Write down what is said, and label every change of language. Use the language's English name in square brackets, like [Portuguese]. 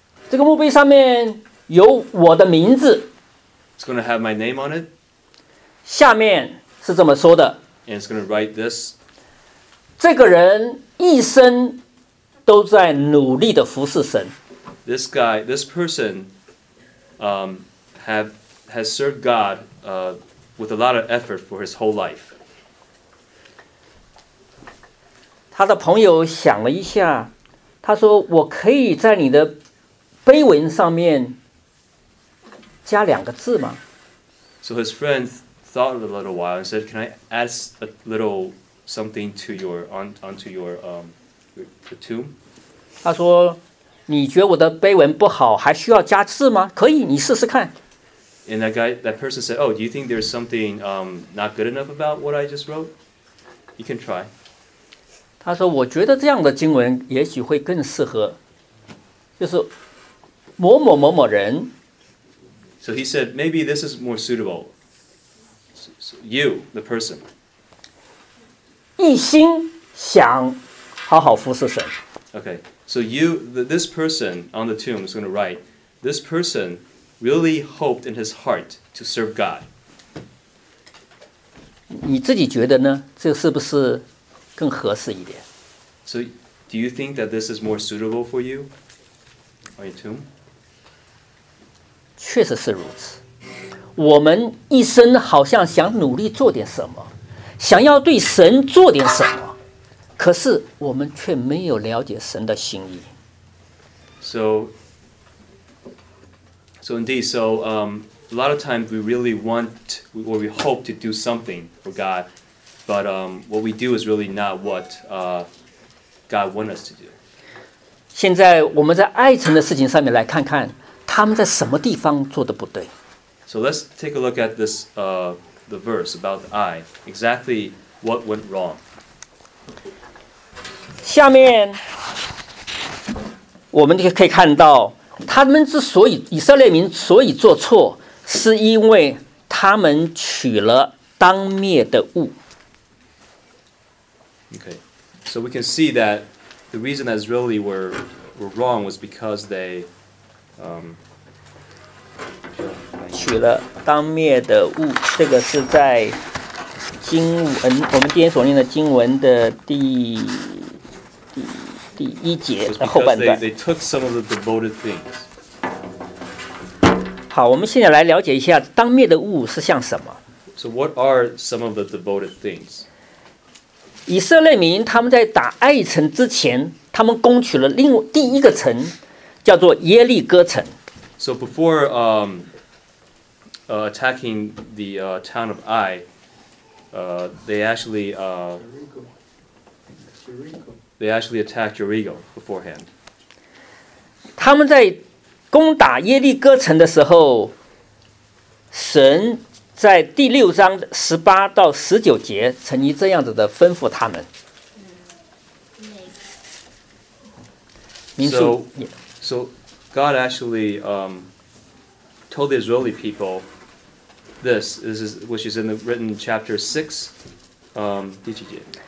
[Chinese] 这个墓碑上面有我的名字。 [English] It's going to have my name on it. [Chinese] 下面是这么说的。 [English] And it's going to write this. [Chinese] 这个人一生都在努力的服侍神。 [English] This person, has served God, with a lot of effort for his whole life. [Chinese] 他的朋友想了一下，他说：“我可以在你的碑文上面加两个字吗 [English] ？”So his friend thought a little while and said, "Can I add a little?" Something to your onto your the tomb. [Chinese] 他说，你觉得我的碑文不好，还需要加字吗？可以，你试试看。 [English] And that person said, "Oh, do you think there's something not good enough about what I just wrote? You can try." [Chinese] 他说，我觉得这样的经文也许会更适合，就是某某某某人。 [English] So he said, maybe this is more suitable. So you, the person. [Chinese] 一心想好好服侍神。 [English] Okay, so this person on the tomb is going to write, this person really hoped in his heart to serve God. [Chinese] 你自己觉得呢？这是不是更合适一点 [English] ？So, do you think that this is more suitable for you on your tomb? [Chinese] 确实是如此。我们一生好像想努力做点什么。想要对神做点什么，可是我们却没有了解神的心意。 [English] So, a lot of times we really want or we hope to do something for God, but what we do is really not what God wants us to do. [Chinese] 现在我们在爱城的事情上面来看看，他们在什么地方做的不对。 [English] So let's take a look at this the verse about the eye, exactly what went wrong. [Chinese] 下面我们就可以看到，他们之所以以色列民所以做错，是因为他们取了当灭的物。 [English] Okay, so we can see that the reason that Israeli were wrong was because they [Chinese] 取了当灭的物。这个是在经文，我们今天所念的经文的第一节的后半段。 [English] They took some of the devoted things. [Chinese] 好，我们现在来了解一下当灭的物是像什么。 [English] So what are some of the devoted things? [Chinese] 以色列民他们在打埃城之前，他们攻取了另第一个城，叫做耶利哥城。 [English] So before attacking the town of Ai, they actually attacked Jericho beforehand. [Chinese] 他们在攻打耶利哥城的时候，神在第六章十八到十九节曾经这样子的吩咐他们。 [English] So God actually told the Israeli people this is which is in the written chapter six, [Chinese] 第几节？